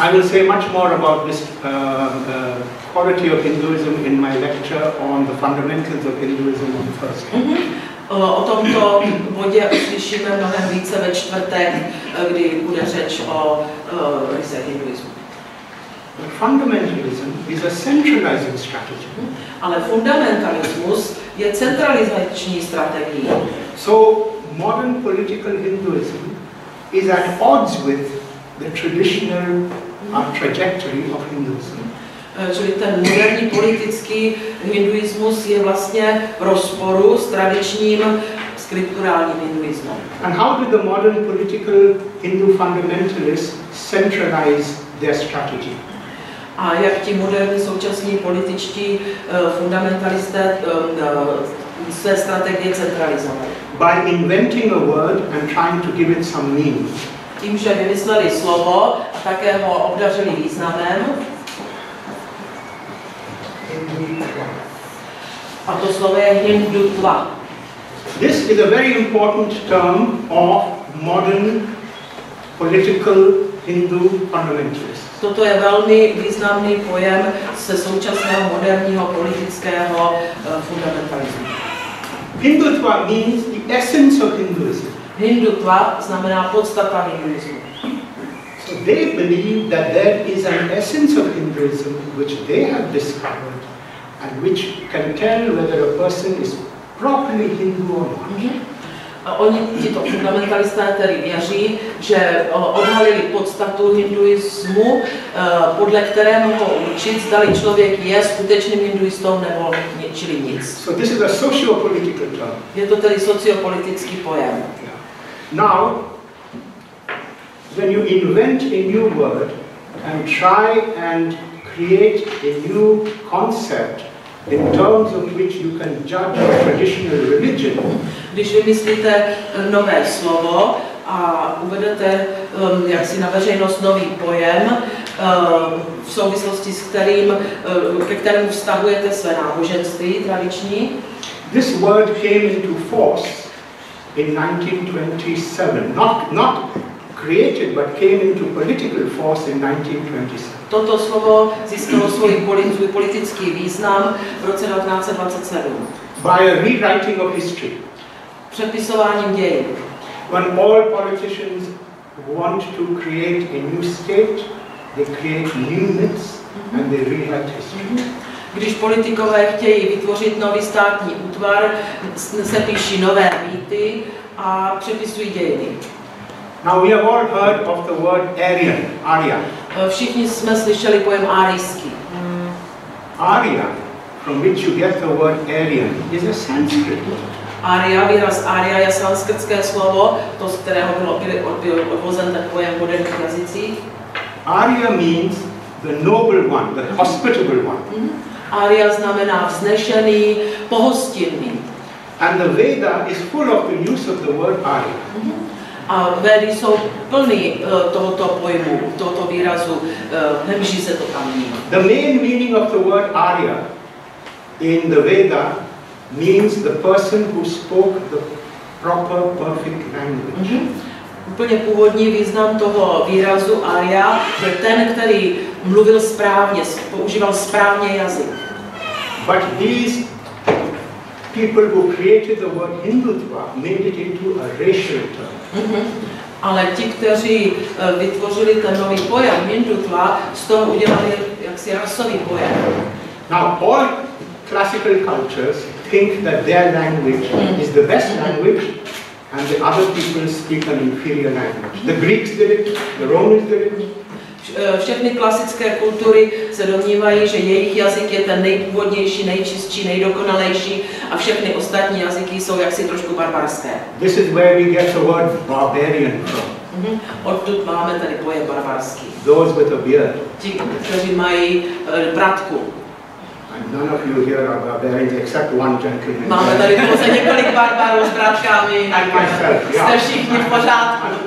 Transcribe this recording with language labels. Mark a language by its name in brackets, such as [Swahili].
[English] I will say much more about this quality of Hinduism in my lecture on the fundamentals of Hinduism on the first day. [Czech] O tomto bodě uslyšíme mnohem více ve čtvrtek, kdy bude řeč o rysech hinduismu. [English] Fundamentalism is a centralizing strategy. [Czech] Ale fundamentalismus je centralizační strategie. [English] So modern political Hinduism is at odds with the traditional trajectory of Hinduism. [Czech] Čili ten moderní politický hinduismus je vlastně v rozporu s tradičním skripturálním hinduismem. [English] And how did the modern political Hindu fundamentalists centralize their strategy? [Czech] A jak ti moderní současní političtí fundamentalisté své strategie centralizovali? [English] By inventing a word and trying to give it some meaning. [Czech] Tím, že vymysleli slovo a také ho obdařili významem. A to slovo je hindutva. [English] This is a very important term of modern political Hindu fundamentalists. [Czech] Toto je velmi významný pojem se současného moderního politického fundamentalismu. [English] Hindutva means the essence of Hinduism. [Czech] Hindutva znamená podstata hinduismu. [English] So they believe that there is an essence of Hinduism which they have discovered and which can tell whether a person is properly Hindu or not. [Czech] A oni, tito fundamentalisté, tedy věří, že odhalili podstatu hinduismu, podle které mohou určit, zda člověk je skutečným hinduistou nebo nic, čili nic. [English] So this is a sociopolitical term. [Czech] Je to tedy sociopolitický pojem. [English] Yeah. Now, when you invent a new word and try and create a new concept in terms of which you can judge a traditional religion. [Czech] Když vymyslíte nové slovo a uvedete jaksi na veřejnost nový pojem v souvislosti s kterým, ke kterému vztahujete své náboženství tradiční. [English] This word came into force in 1927. Not created, but came into political force in 1927. [Czech] Toto slovo získalo svůj politický význam v roce 1927. [English] By a rewriting of history. [Czech] Přepisováním dějin. [English] When all politicians want to create a new state, they create new myths and they rewrite history. [Czech] Když politikové chtějí vytvořit nový státní útvar, se píší nové mýty a přepisují dějiny. [English] Now we have all heard of the word Aryan, Arya. [Czech] Všichni jsme slyšeli pojem árijský. [English] Arya, from which you get the word Aryan, is a Sanskrit word. [Czech] Arya, výraz Arya je sanskritské slovo, to z kterého byl odvozen ten pojem v moderních jazycích. [English] Arya means the noble one, the hospitable one. [Czech] Arya znamená vznešený, pohostinný. [English] And the Veda is full of the use of the word Arya. [Czech] A Vedy jsou plný tohoto pojmu, tohoto výrazu, nemůže se to tam mít. [English] The main meaning of the word Arya in the Veda means the person who spoke the proper perfect language. [Czech] Úplně původní význam toho výrazu Arya je ten, který mluvil správně, používal správně jazyk. [English] But these people who created the word Hindutva made it into a racial term. [Czech] Ale ti, kteří vytvořili ten nový pojem Hindutva, z toho udělali jaksi rasový pojem. [English] Now all classical cultures think that their language is the best language and the other people speak an inferior language. The Greeks did it, the Romans did it. [Czech] Všechny klasické kultury se domnívají, že jejich jazyk je ten nejpůvodnější, nejčistší, nejdokonalejší a všechny ostatní jazyky jsou jaksi trošku barbarské. [English] This is where we get the word barbarian from. [Czech] Odtud máme tady pojem barbarský. [English] Those with a beard. [Czech] Ti, kteří mají bratku. [English] And none of you here are barbarians except one gentleman. [Czech] Máme tady pouze několik barbarů s bratkami. [English] And myself, [Czech] yeah. Jste všichni v pořádku.